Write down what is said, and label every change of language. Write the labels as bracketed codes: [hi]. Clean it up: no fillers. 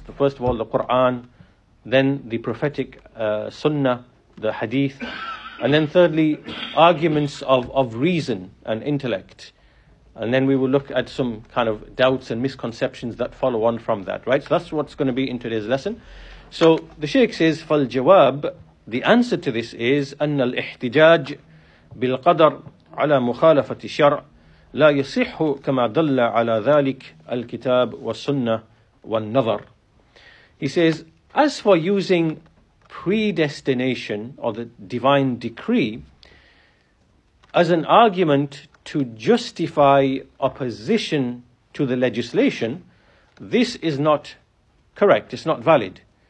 [en] The first of all, the Quran, then the prophetic sunnah, the hadith, and then thirdly, arguments of reason and intellect. And then we will look at some kind of doubts and misconceptions that follow on from that, right? So that's what's going to be in today's lesson. So the Shaykh says, [ar] فالجواب, [en] the answer to this is, [ar] أن الاحتجاج بالقدر على مخالفة الشرع لا يصح كما دل على ذلك الكتاب والسنة والنظر. [en] He says, as for using predestination or the divine decree as an argument to justify opposition to the legislation, this is not correct, it's not valid.